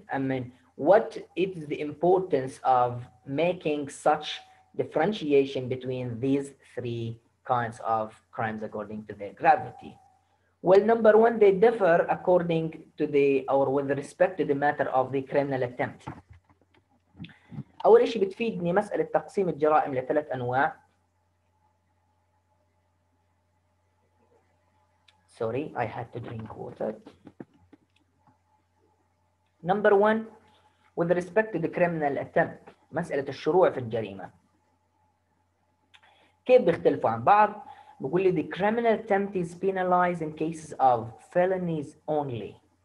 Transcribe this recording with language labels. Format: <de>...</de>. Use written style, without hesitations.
<en>I mean, what is the importance of making such differentiation between these three kinds of crimes according to their gravity? Well, number one, they differ according to the, or with respect to the matter of the criminal attempt.</en> <ar>أول شيء بتفيدني مسألة تقسيم الجرائم لثلاث أنواع.</ar> <en>Sorry, I had to drink water. Number one, with respect to the criminal attempt,</en> <ar>مسألة الشروع في الجريمة. كيف بيختلفوا عن بعض؟ بقول لي</ar> <en>the criminal attempt is penalized in cases of felonies only.</en>